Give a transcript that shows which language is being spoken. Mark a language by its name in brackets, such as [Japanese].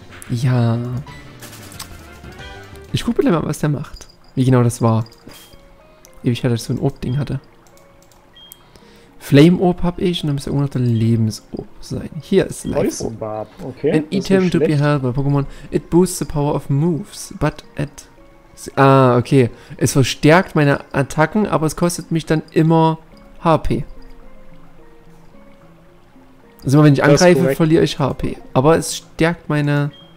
[German] Ja. Ich guck mal, was der macht. Wie genau das war. Ewig hatte ich so ein Orb-Ding hatte. Flame Orb hab ich und dann müsste irgendwo noch der Lebens Orb sein. Hier ist Life Orb. Okay. [English] An Item to be held by Pokémon. It boosts the power of moves, but at. [German] Ah, okay. Es verstärkt meine Attacken, aber es kostet mich dann immer HP. Also, wenn ich angreife, verliere ich HP. Aber es stärkt meine.